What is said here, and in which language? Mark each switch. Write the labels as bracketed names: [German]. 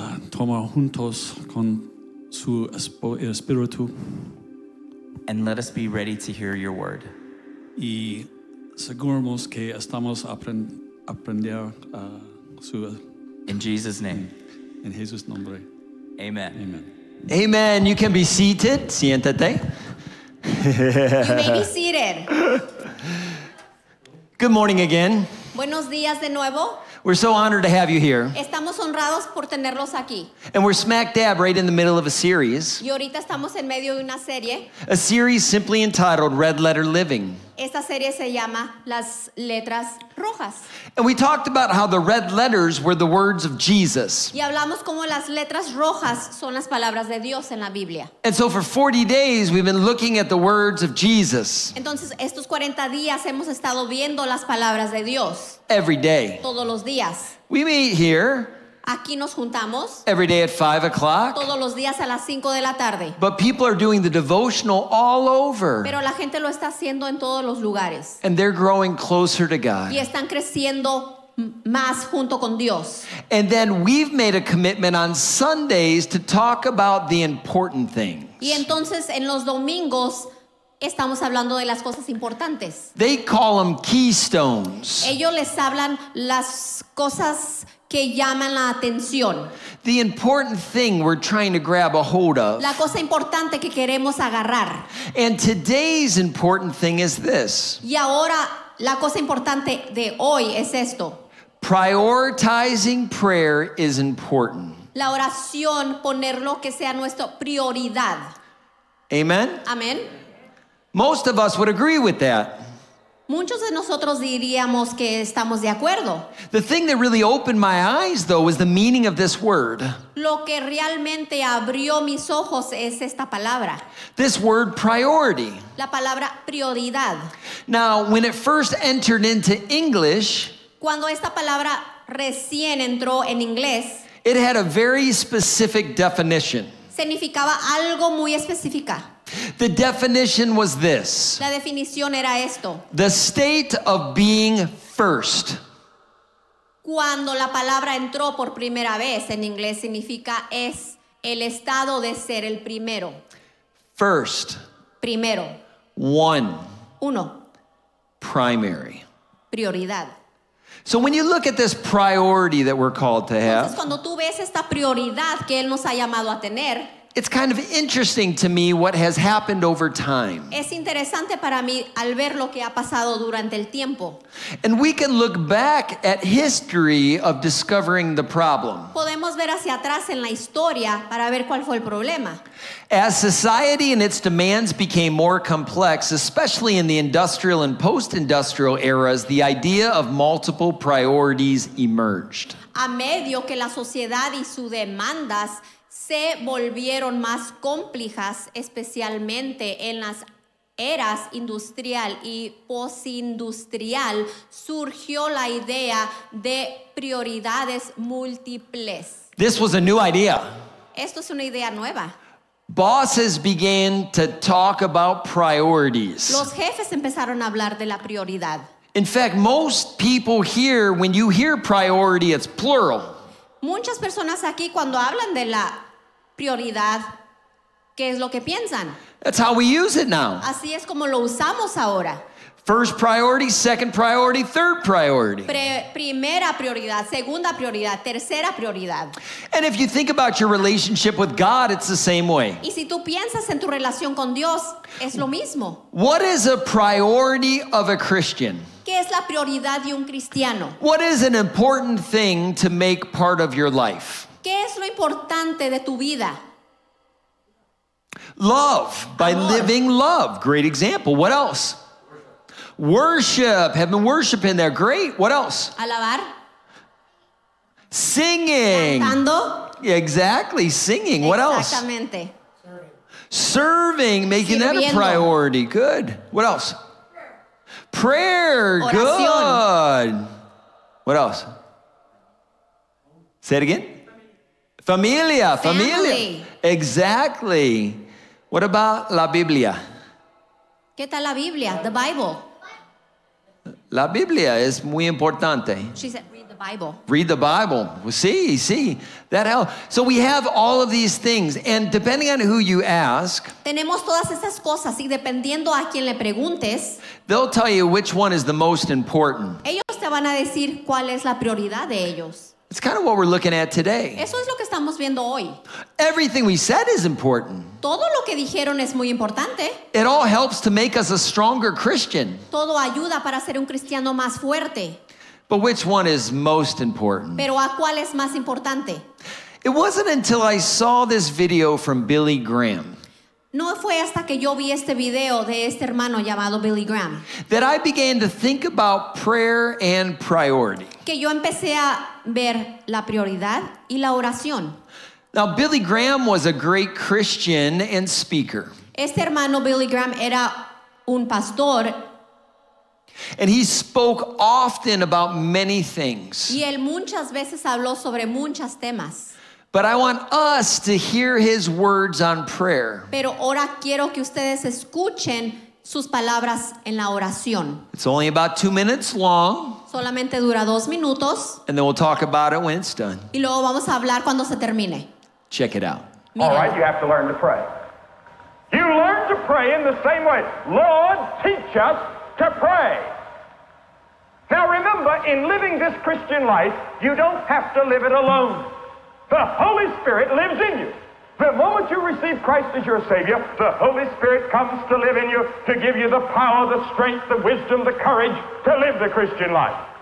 [Spanish] Toma juntos con su espíritu. [English] And let us be ready to hear your word. [Spanish] Y seguramos que estamos aprender su. [English] In Jesus' name. [Spanish] En Jesús nombre. [English] Amen. Amen. Amen. You can be seated. [Spanish] Siéntate. [English] You may be seated. Good morning again. [Spanish] Buenos días de nuevo. [English] We're so honored to have you here. [Spanish] Estamos honrados por tenerlos aquí. [English] And we're smack dab right in the middle of a series. [Spanish] Y ahorita estamos en medio de una serie. [English] A series simply entitled Red Letter Living. [Spanish] Esta serie se llama Las Letras Rojas. [English] And we talked about how the red letters were the words of Jesus. [Spanish] Y hablamos cómo las letras rojas son las palabras de Dios en la Biblia. [English] And so for 40 days we've been looking at the words of Jesus. [Spanish] Entonces estos 40 días hemos estado viendo las palabras de Dios. [English] Every day. [Spanish] Todos los días. [English] We meet here. [Spanish] Aquí nos juntamos. [English] Every day at 5 o'clock. [Spanish] Todos los días a las 5 de la tarde. [English] But people are doing the devotional all over. [Spanish] Pero la gente lo está haciendo en todos los lugares. [English] And they're growing closer to God. [Spanish] Y están creciendo más junto con Dios. [English] And then we've made a commitment on Sundays to talk about the important things. [Spanish] Y entonces en los domingos estamos hablando de las cosas importantes. [English] They call them keystones. [Spanish] Ellos les hablan las cosas que llaman la atención. [English] The important thing we're trying to grab a hold of. [Spanish] La cosa importante que queremos agarrar. [English] And today's important thing is this. [Spanish] Y ahora la cosa importante de hoy es esto. [English] Prioritizing prayer is important. [Spanish] La oración, ponerlo que sea nuestra prioridad. [English] Amen. [Spanish] Amen. [English] Most of us would agree with that. [Spanish] Muchos de nosotros diríamos que estamos de acuerdo. [English] The thing that really opened my eyes, though, was the meaning of this word. [Spanish] Lo que realmente abrió mis ojos es esta palabra. [English] This word, priority. [Spanish] La palabra prioridad. [English] Now, when it first entered into English, [Spanish] cuando esta palabra recién entró en inglés, [English] it had a very specific definition. [Spanish] Significaba algo muy específica. [English] The definition was this. [Spanish] La definición era esto. [English] The state of being first. [Spanish] Cuando la palabra entró por primera vez en inglés significa es el estado de ser el primero. [English] First. [Spanish] Primero. [English] One. [Spanish] Uno. [English] Primary. [Spanish] Prioridad. [English] So when you look at this priority that we're called to have. [Spanish] Entonces cuando tú ves esta prioridad que él nos ha llamado a tener. [English] It's kind of interesting to me what has happened over time. [Spanish] Es interesante para mí al ver lo que ha pasado durante el tiempo. [English] And we can look back at history of discovering the problem. [Spanish] Podemos ver hacia atrás en la historia para ver cuál fue el problema. [English] As society and its demands became more complex, especially in the industrial and post-industrial eras, the idea of multiple priorities emerged. [Spanish] A medio que la sociedad y sus demandas se volvieron más complejas, especialmente en las eras industrial y posindustrial, surgió la idea de prioridades múltiples. [English] This was a new idea. [Spanish] Esto es una idea nueva. [English] Bosses began to talk about priorities. [Spanish] Los jefes empezaron a hablar de la prioridad. [English] In fact, most people here, when you hear priority, it's plural. [Spanish] Muchas personas aquí cuando hablan de la prioridad, ¿qué es lo que piensan? [English] That's how we use it now. [Spanish] Así es como lo usamos ahora. [English] First priority, second priority, third priority. [Spanish] Primera prioridad, segunda prioridad, tercera prioridad. [English] And if you think about your relationship with God, it's the same way. [Spanish] Y si tú piensas en tu relación con Dios, es lo mismo. [English] What is a priority of a Christian? [Spanish] ¿Qué es la prioridad de un cristiano? [English] What is an important thing to make part of your life? [Spanish] ¿Qué es lo importante de tu vida? [English] Love, by [Spanish] amor. [English] Living love. Great example. What else? Worship. Have been worshiping there. Great. What else? [Spanish] Alabar. [English] Singing. [Spanish] Cantando. [English] Exactly. Singing. What else? [Spanish] Exactamente. [English] Serving. Making [Spanish] Sirviendo. [English] That a priority. Good. What else? Prayer. [Spanish] Oración. [English] Good. What else? Say it again. [Spanish] Familia, familia. [English] Family. Exactly. What about [Spanish] la Biblia? ¿Qué tal la Biblia? [English] The Bible. [Spanish] La Biblia es muy importante. [English] She said, read the Bible. Read the Bible. [Spanish] Sí, sí. [English] That helps. So we have all of these things. And depending on who you ask, [Spanish] tenemos todas esas cosas. Y dependiendo a quien le preguntes, [English] they'll tell you which one is the most important. [Spanish] Ellos te van a decir cuál es la prioridad de ellos. [English] It's kind of what we're looking at today. [Spanish] Eso es lo que estamos viendo hoy. [English] Everything we said is important. [Spanish] Todo lo que dijeron es muy importante. [English] It all helps to make us a stronger Christian. [Spanish] Todo ayuda para ser un cristiano más fuerte. [English] But which one is most important? [Spanish] Pero ¿a cuál es más importante? [English] It wasn't until I saw this video from Billy Graham. [Spanish] No fue hasta que yo vi este video de este hermano llamado Billy Graham. [English] That I began to think about prayer and priority. [Spanish] Que yo empecé a ver la prioridad y la oración. [English] Now Billy Graham was a great Christian and speaker. [Spanish] Este hermano Billy Graham era un pastor. [English] And he spoke often about many things. [Spanish] Y él muchas veces habló sobre muchos temas. [English] But I want us to hear his words on prayer. [Spanish] Pero ahora quiero que ustedes escuchen sus palabras en la oración. [English] It's only about 2 minutes long. [Spanish] Solamente dura 2 minutos. [English] And then we'll talk about it when it's done. [Spanish] Y luego vamos a hablar cuando se termine. [English] Check it out. All right, you have to learn to pray. You learn to pray in the same way. Lord, teach us to pray. Now remember, in living this Christian life, you don't have to live it alone. The Holy Spirit lives in you. The moment you receive Christ as your Savior, the Holy Spirit comes to live in you to give you the power, the strength, the wisdom, the courage to live the Christian life.